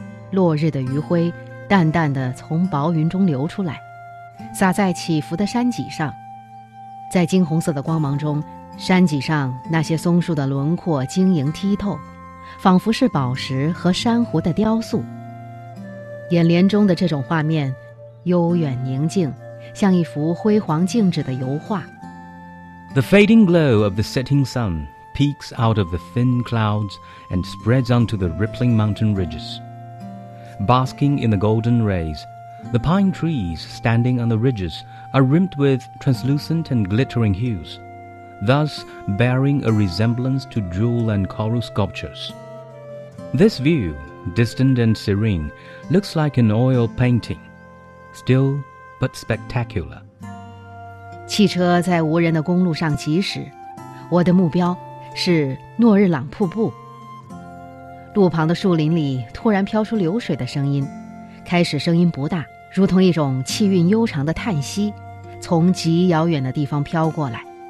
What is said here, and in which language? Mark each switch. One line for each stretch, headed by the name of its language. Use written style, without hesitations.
Chinese: 落日的余晖淡淡的从薄云中流出来，洒在起伏的山脊上，在金红色的光芒中。山脊上那些松树的轮廓晶莹剔透，仿佛是宝石和珊瑚的雕塑。眼帘中的这种画面悠远宁静，像一幅辉煌静止的油画。
English: The fading glow of the setting sun peeks out of the thin clouds and spreads onto the rippling mountain ridges. Basking in the golden rays, the pine trees standing on the ridges are rimmed with translucent and glittering huesThus bearing a resemblance to jewel and coral sculptures. This view, distant and serene, looks like an oil painting, still but spectacular.
Chinese: 汽车在无人的公路上疾驶，我的目标是诺日朗瀑布。路旁的树林里突然飘出流水的声音，开始声音不大，如同一种气韵悠长的叹息，从极遥远的地方飘过来。